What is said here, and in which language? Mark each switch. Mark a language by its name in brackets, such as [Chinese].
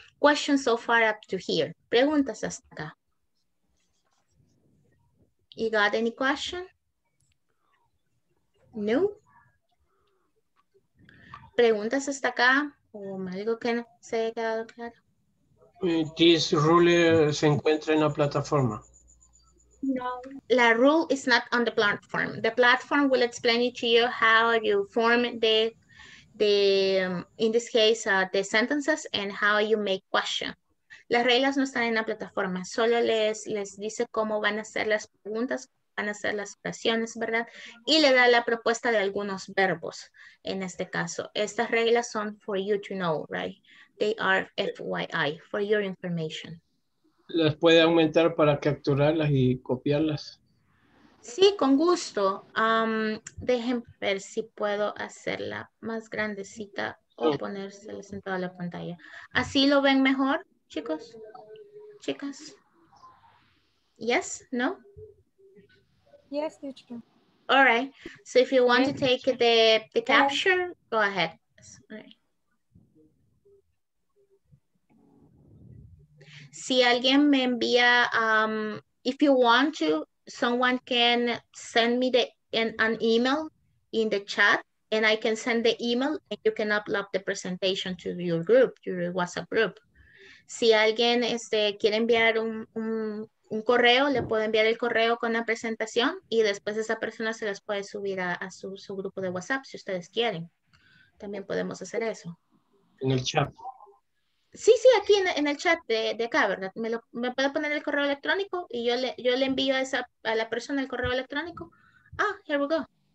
[English] Question so far up to here. ¿Preguntas hasta acá? You got any question? No. [Spanish] ¿Preguntas hasta acá? ¿O algo que no se haya quedado claro? This rule se encuentra en la plataforma. [English] No, la rule is not on the platform. The platform will explain it to you how you form the sentences and how you make questions. [Spanish] Las reglas no están en la plataforma, solo les dice cómo van a ser las preguntas, van a ser las oraciones, ¿verdad? Y le da la propuesta de algunos verbos en este caso. [English] Estas reglas son for you to know, right? They are FYI, for your information. [Spanish] ¿Las puede aumentar para capturarlas y copiarlas? Sí, con gusto. Dejen ver si puedo hacerla más grandecita o ponérselas en toda la pantalla. ¿Así lo ven mejor, chicos? ¿Chicas? ¿Yes? ¿No? [English] Yes, teacher. All right. So if you want to take the capture, go ahead. All right. Si alguien me envía, if you want to, someone can send me an email in the chat and I can send the email and you can upload the presentation to your group, your WhatsApp group. [Spanish] Si alguien quiere enviar un correo, le puedo enviar el correo con la presentación y después esa persona se las puede subir a su grupo de WhatsApp si ustedes quieren. También podemos hacer eso. En el chat. Sí, sí, aquí en el chat de acá, ¿verdad? Me puede poner el correo electrónico y yo le envío a la persona el correo electrónico. Ah, here we go.